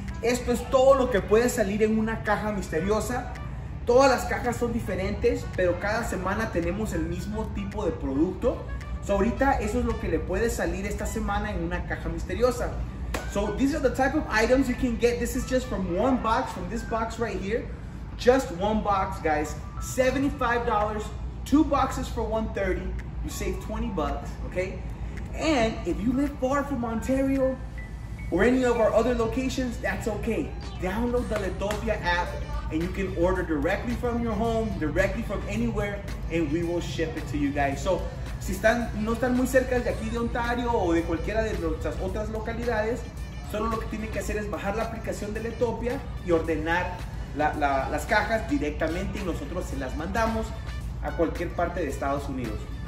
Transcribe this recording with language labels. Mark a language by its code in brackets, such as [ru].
[es] Esto es todo lo que puede salir en una caja misteriosa. Todas las cajas son diferentes, pero cada semana tenemos el mismo tipo de producto. So ahorita eso es lo que le puede salir esta semana en una caja misteriosa. [en] So these are the type of items you can get. This is just from one box, from this box right here. Just one box, guys. $75, two boxes for $130. You save 20 bucks, okay? And if you live far from Ontario, or any of our other locations, that's okay. Download the Lettopia app and you can order directly from your home, directly from anywhere, and we will ship it to you guys. [es] So, si están, no están muy cerca de aquí de Ontario o de cualquiera de nuestras otras localidades, solo lo que tienen que hacer es bajar la aplicación de Lettopia y ordenar las cajas directamente y nosotros se las mandamos a cualquier parte de Estados Unidos.